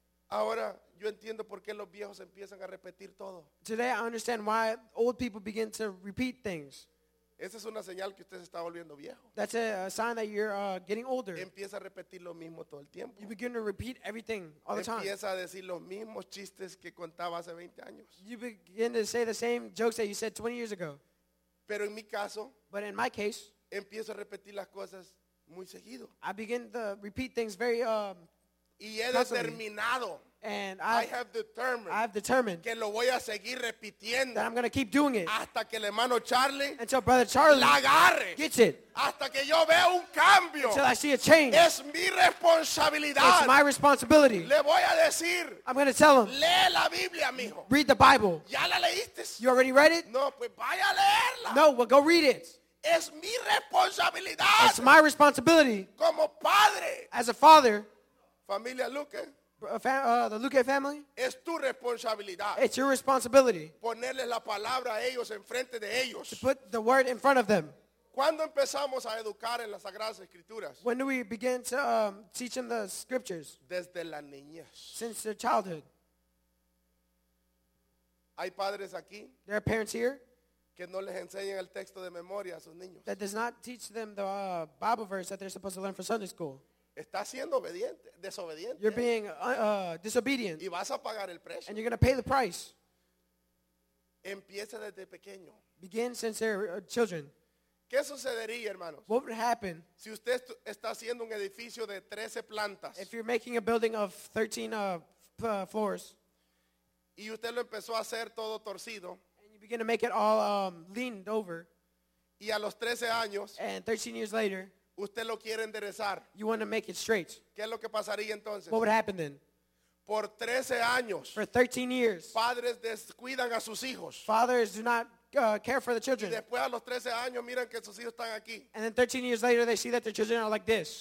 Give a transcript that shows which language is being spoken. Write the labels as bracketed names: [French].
[Spanish] Ahora yo entiendo por qué los viejos empiezan a repetir todo. [English] Today I understand why old people begin to repeat things. [Spanish] Esa es una señal que usted se está volviendo viejo. [English] That's a sign that you're getting older. [Spanish] Empieza a repetir lo mismo todo el tiempo. [English] You begin to repeat everything all the time. [Spanish] Empieza a decir los mismos chistes que contaba hace 20 años. [English] You begin to say the same jokes that you said 20 years ago. [Spanish] Pero en mi caso, [English] but in my case, [Spanish] empiezo a repetir las cosas muy seguido. [English] I begin to repeat things very [Spanish] y he determinado. [English] And I have determined [Spanish] que lo voy a seguir repitiendo, [English] that I'm going to keep doing it [Spanish] hasta que el hermano Charlie, [English] until Brother Charlie [Spanish] la agarre, [English] gets it, [Spanish] hasta que yo vea un cambio, [English] until I see a change. [Spanish] Es mi responsabilidad. [English] It's my responsibility. [Spanish] Le voy a decir, [English] I'm going to tell him, [Spanish] lee la Biblia, mijo. [English] Read the Bible. [Spanish] ¿Ya la leíste? [English] You already read it? [Spanish] No, pues vaya a leerla. [English] No, well, go read it. [Spanish] Es mi responsabilidad. [English] It's my responsibility. [Spanish] Como padre. [English] As a father. [Spanish] Familia Luque. [English] The Luque family, [Spanish] es tu responsabilidad. [English] It's your responsibility. [Spanish] Ponerles la palabra a ellos en frente de ellos. [English] To put the word in front of them. [Spanish] ¿Cuándo empezamos a educar en las Sagradas Escrituras? [English] When do we begin to teach them the scriptures? [Spanish] Desde la niñez. [English] Since their childhood. [Spanish] Hay padres aquí. [English] There are parents here. [Spanish] Que no les enseñen el texto de memoria a sus niños. [English] That does not teach them the Bible verse that they're supposed to learn for Sunday school. [Spanish] Está siendo obediente, desobediente. [English] You're being disobedient. [Spanish] Y vas a pagar el precio. [English] And you're going to pay the price. [Spanish] Empieza desde pequeño. [English] Begin since they're children. [Spanish] ¿Qué sucedería, hermanos? [English] What would happen? [Spanish] Si usted está haciendo un edificio de 13 plantas. [English] If you're making a building of 13 floors. [Spanish] Y usted lo empezó a hacer todo torcido. [English] And you begin to make it all leaned over. [Spanish] Y a los 13 años. [English] And 13 years later. [Spanish] Usted lo quiere enderezar. [English] You want to make it straight. [Spanish] ¿Qué es lo que pasaría entonces? [English] What would happen then? [Spanish] Por 13 años. [English] For 13 years. [Spanish] Padres descuidan a sus hijos. [English] Fathers do not care for the children. [Spanish] Y después a los 13 años miran que sus hijos están aquí. [English] And then 13 years later they see that their children are like this.